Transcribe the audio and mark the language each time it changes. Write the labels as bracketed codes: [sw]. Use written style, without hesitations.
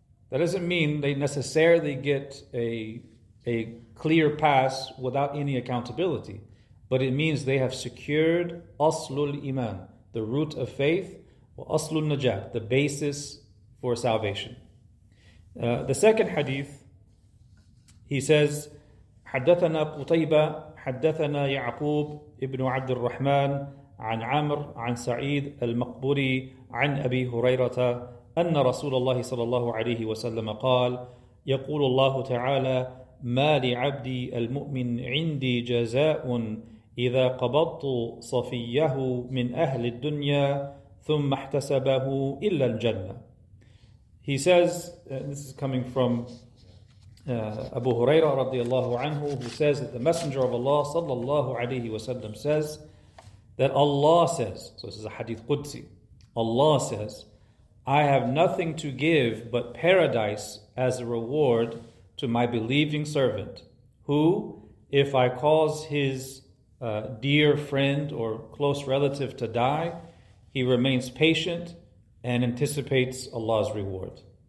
[en] That doesn't mean they necessarily get a clear pass without any accountability, but it means they have secured aslul iman, the root of faith, or aslul najat, the basis for salvation. The second hadith, he says, [ar] حدثنا قتيبة حدثنا يعقوب ابن عبد الرحمن عن عمر عن سعيد المقبري عن أبي هريرة أن رسول الله صلى الله عليه وسلم قال يقول الله تعالى ما لعبدي المؤمن عندي جزاء إذا قبضت صفيه من أهل الدنيا ثم احتسبه إلا الجنة. [en] He says, this is coming from Abu Huraira radiallahu anhu, who says that the Messenger of Allah sallallahu alayhi wa sallam says that Allah says, so this is a hadith Qudsi, Allah says, I have nothing to give but paradise as a reward to my believing servant, who, if I cause his dear friend or close relative to die, he remains patient and anticipates Allah's reward.